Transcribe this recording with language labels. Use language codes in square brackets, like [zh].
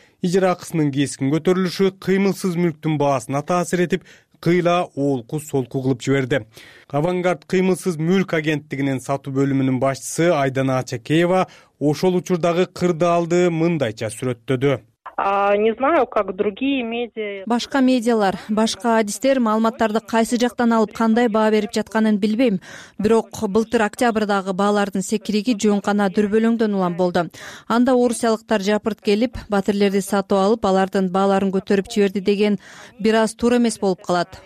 [ky] Ижара акысынын кескин көтөрүлүшү кыймылсыз мүлктүн баасына таасир этип, кыйла олку солку кылып жиберди. Авангард кыймылсыз мүлк агенттигинин сатуу бөлүмүнүн башчысы Айдана Ачакеева ошол учурдагы кырдаалды мындайча сүрөттөдү. [ru] Не знаю, как другие медиа. [ky] Башка медиалар, башка адистер маалыматтарды кайсы жактан алып кандай баа берип жатканын билбейм. Бирок былтыр октябрдагы баалардын секириги жөн гана дүрбөлөңдөн улам болду. Анда орусиялыктар жапырт келип, батирлерди сатып алып, алардын бааларын көтөрүп жиберди деген бир аз туура эмес болуп калат.